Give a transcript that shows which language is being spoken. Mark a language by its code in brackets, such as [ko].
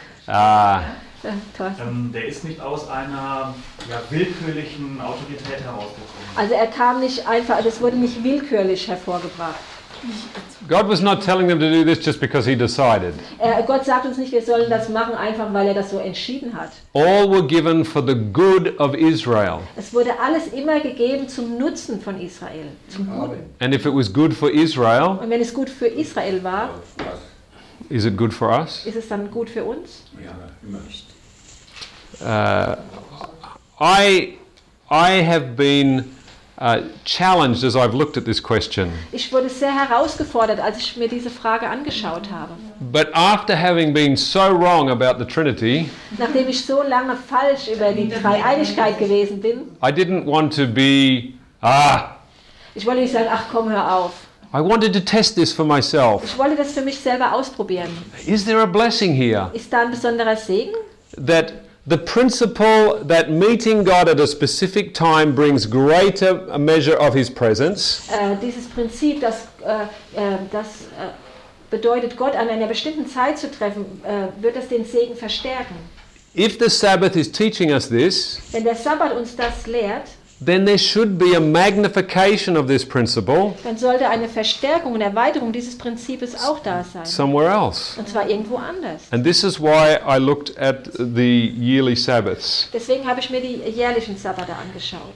[de] Der ist nicht aus einer willkürlichen Autorität herausgekommen. Also er kam nicht einfach. Es wurde nicht willkürlich hervorgebracht. [en] God was not telling them to do this just because he decided. [de] Gott sagt uns nicht, wir sollen das machen, einfach weil er das so entschieden hat. [en] All were given for the good of Israel. [de] Es wurde alles immer gegeben zum Nutzen von Israel, zum Guten. [en] And if it was good for Israel, [de] und wenn es gut für Israel war, [en] is it good for us? [de] Ist es dann gut für uns? Ja, immer. [en] I have been challenged as I've looked at this question. [de] Ich wurde sehr herausgefordert, als ich mir diese Frage angeschaut habe. [en] But after having been so wrong about the Trinity, [de] nachdem ich so lange falsch über die Dreieinigkeit gewesen bin, [en] I didn't want to be [de] ich wollte nicht sagen, ach komm, hör auf. [en] I wanted to test this for myself. [de] Ich wollte das für mich selber ausprobieren. [en] Is there a blessing here? [de] Ist da ein besonderer Segen? [en] That the principle that meeting God at a specific time brings greater a measure of His presence. [de] Dieses Prinzip, dass das bedeutet, Gott an einer bestimmten Zeit zu treffen, wird das den Segen verstärken. [en] If the Sabbath is teaching us this, [de] wenn der Sabbat uns das lehrt, [en] then there should be a magnification of this principle. [de] Dann sollte eine Verstärkung und Erweiterung dieses Prinzips auch da sein. [en] Somewhere else. [de] Und zwar irgendwo anders. [en] And this is why I looked at the yearly Sabbaths. [de] Deswegen habe ich mir die jährlichen Sabbate angeschaut.